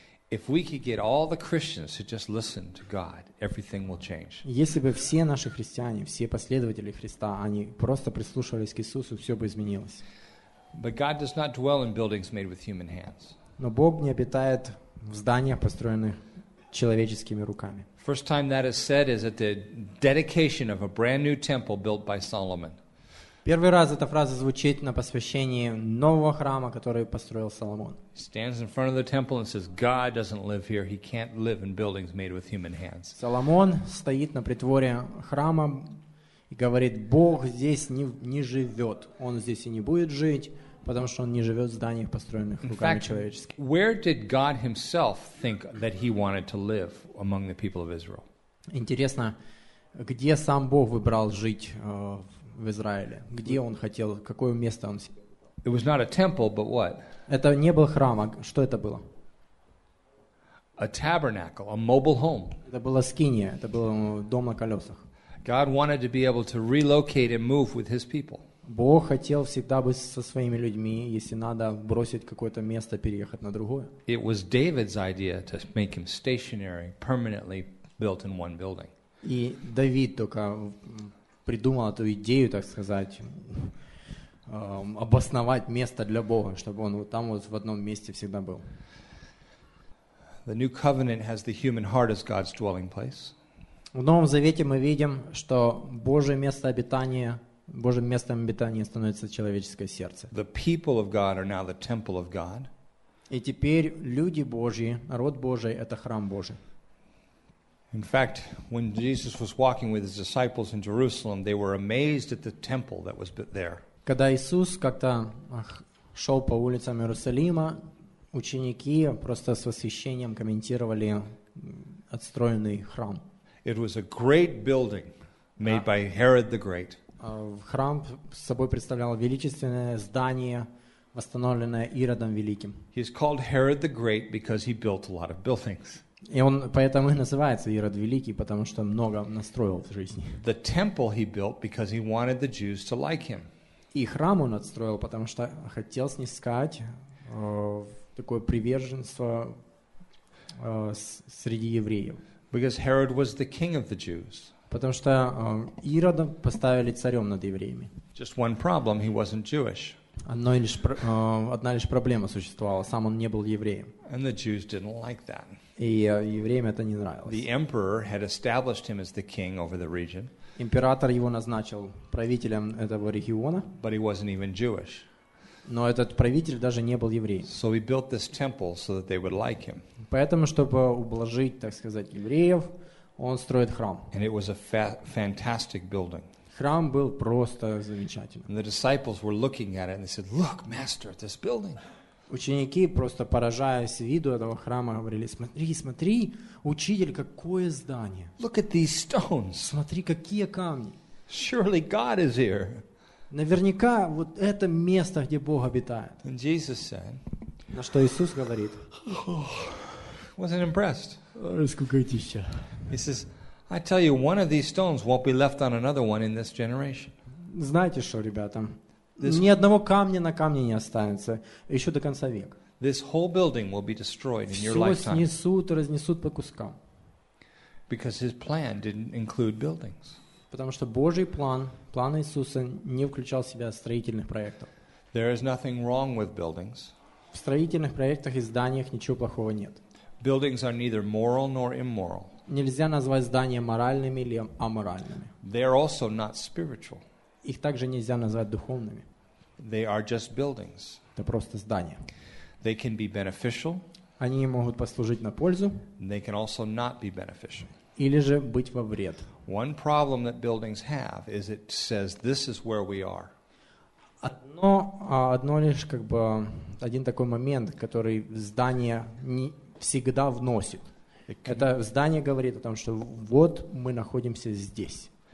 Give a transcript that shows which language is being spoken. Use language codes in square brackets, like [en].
[en] If we could get all the Christians to just listen to God, everything will change. [ru] Если бы все наши христиане, все последователи Христа, они просто прислушивались к Иисусу, все бы изменилось. [en] But God does not dwell in buildings made with human hands. [ru] Но Бог не обитает в зданиях, построенных человеческими руками. [en] First time that is said is at the dedication of a brand new temple built by Solomon. [ru] Первый раз эта фраза звучит на посвящении нового храма, который построил Соломон. [en] Stands in front of the temple and says, "God doesn't live here. He can't live in buildings made with human hands." [ru] Соломон стоит на притворе храма и говорит: "Бог здесь не живет. Он здесь и не будет жить, потому что он не живет в зданиях, построенных руками человеческими." [en] Where did God himself think that he wanted to live among the people of Israel? [ru] Интересно, где сам Бог выбрал жить? В Израиле. Где он хотел, какое место он... [en] It was not a temple, but what? [ru] Это не был храм, а что это было? [en] A tabernacle, a mobile home. [ru] Это была скиния, это был дом на колесах. [en] God wanted to be able to relocate and move with his people. [ru] Бог хотел всегда быть со своими людьми, если надо бросить какое-то место, переехать на другое. [en] It was David's idea to make him stationary, permanently built in one building. [ru] И Давид только... придумал эту идею, так сказать, обосновать место для Бога, чтобы он вот там вот в одном месте всегда был. [en] The new covenant has the human heart as God's dwelling place. [ru] В Новом Завете мы видим, что Божье место обитания, Божьим местом обитания становится человеческое сердце. [en] The people of God are now the temple of God. [ru] И теперь люди Божьи, народ Божий, это храм Божий. [en] In fact, when Jesus was walking with his disciples in Jerusalem, they were amazed at the temple that was there. [ru] Когда Иисус как-то шел по улицам Иерусалима, ученики просто с восхищением комментировали отстроенный храм. [en] It was a great building made by Herod the Great. [ru] Храм собой представлял величественное здание, восстановленное Иродом Великим. [en] He's called Herod the Great because he built a lot of buildings. [ru] И он поэтому и называется Ирод Великий, потому что много настроил в жизни. [en] The temple he built because he wanted the Jews to like him. [ru] И храм он отстроил, потому что хотел снискать такое приверженство среди евреев. [en] Because Herod was the king of the Jews. [ru] Потому что Ирода поставили царем над евреями. [en] Just one problem, he wasn't Jewish. [ru] Одна лишь проблема существовала, сам он не был евреем. [en] And the Jews didn't like that. [ru] И евреям это не нравилось. [en] The emperor had established him as the king over the region. [ru] Император его назначил правителем этого региона. [en] But he wasn't even Jewish. [ru] Но этот правитель даже не был евреем. [en] So he built this temple so that they would like him. [ru] Поэтому, чтобы ублажить, так сказать, евреев, он строит храм. [en] And it was a fantastic building. [ru] Храм был просто замечательным. [en] And the disciples were looking at it and they said, "Look, master, at this building." [ru] Ученики, просто поражаясь виду этого храма, говорили: смотри, смотри, учитель, какое здание. [en] Look at these stones. [ru] Смотри, какие камни. [en] Surely God is here. [ru] Наверняка вот это место, где Бог обитает. [en] And Jesus said, [ru] на что Иисус говорит, [en] wasn't impressed. Раскукатища. He says, I tell you, one of these stones won't be left on another one in this generation. [ru] Знаете что, ребята? Ни одного камня на камне не останется еще до конца века. [en] This whole building will be destroyed in your lifetime. [ru] Все снесут, разнесут по кускам. [en] Because his plan didn't include buildings. [ru] Потому что Божий план, план Иисуса, не включал в себя строительных проектов. [en] There is nothing wrong with buildings. [ru] В строительных проектах и зданиях ничего плохого нет. [en] Buildings are neither moral nor immoral. [ru] Нельзя назвать здания моральными или аморальными. [en] They are also not spiritual. [ru] Их также нельзя назвать духовными. [en] They are just buildings. [ru] Это просто здания. [en] They can be beneficial. [ru] Они могут послужить на пользу. [en] They can also not be beneficial. [ru] Или же быть во вред. [en] One problem that buildings have is it says this is where we are. [ru] Одно лишь как бы один такой момент, который здание не всегда вносит. Это здание говорит о том, что вот мы находимся здесь.